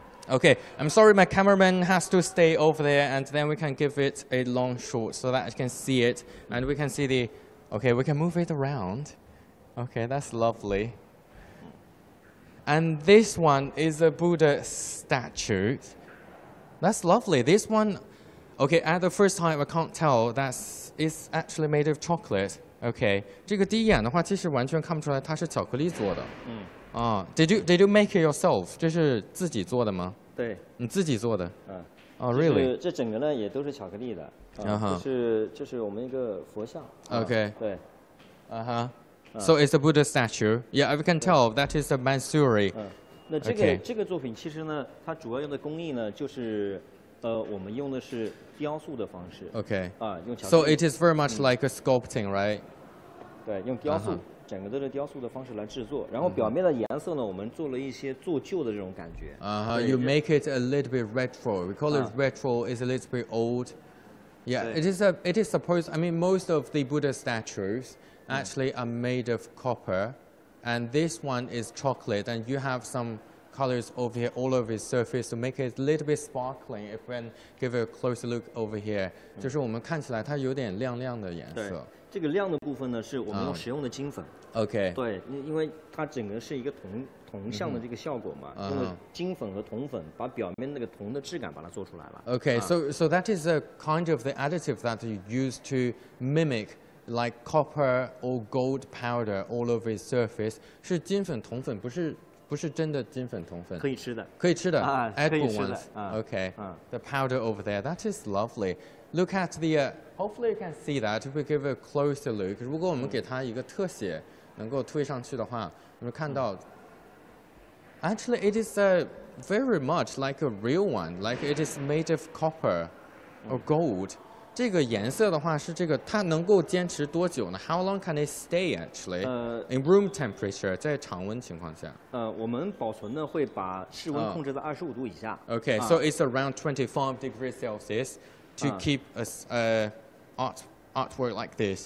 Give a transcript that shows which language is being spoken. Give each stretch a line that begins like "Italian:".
English: Okay, I'm sorry, my cameraman has to stay over there, and then we can give it a long shot so that I can see it, and we can see the, okay, we can move it around. Okay, that's lovely. And this one is a Buddha statue. That's lovely. This one, Okay, at the first time, I can't tell that it's actually made of chocolate.
Chinese: Okay, 这个第一眼的话，其实完全看不出来它是巧克力做的。
English: Did you make it yourself?
Chinese: 这是自己做的吗？对，你自己做的。
English: Really?
Chinese: 这整个呢也都是巧克力的。这是我们一个佛像。
English: Okay.
Chinese: 对。
English: So it's a Buddha statue. Yeah, I can tell that is a Mansuri.
Chinese: 那这个、okay. 这个作品其实呢，它主要用的工艺呢，就是，我们用的是雕塑的方式。
English: Okay.
Chinese: 啊，用巧克力。
English: So it is very much like a sculpting, right?
Chinese: 对，用雕塑， uh-huh. 整个都是雕塑的方式来制作。然后表面的颜色呢， uh-huh. 我们做了一些做旧的这种感觉。
English: You make it a little bit retro. We call it retro. It's a little bit old. Yeah, it is supposed. I mean, most of the Buddha statues actually are made of copper. And this one is chocolate, and you have some colors over here, all over its surface, to make it a little bit sparkling. If we give it a closer look over here,
Chinese: 就是我们看起来它有点亮亮的颜色。对，这个亮的部分呢，是我们用食用的金粉。
English: Okay.
Chinese: 对，因为它整个是一个铜像的这个效果嘛，用金粉和铜粉把表面那个铜的质感把它做出来了。
English: Okay, so that is a kind of the additive that you use to mimic. Like copper or gold powder all over its surface,
Chinese: 是金粉铜粉，不是真的金粉铜粉。可以吃的，可以吃的。
English: Edible ones. Okay. The powder over there, that is lovely. Look at the. Hopefully you can see that if we give a closer look.
Chinese: 如果我们给它一个特写，能够推上去的话，你们看到。
English: Actually, it is very much like a real one. Like it is made of copper or gold.
Chinese: 这个颜色的话是这个，它能够坚持多久呢 ？
English: How long can it stay actually? In room temperature,
Chinese: 在常温情况下。我们保存呢会把室温控制在25度以下。
English: Okay, so it's around 25 degrees Celsius to keep artwork like this.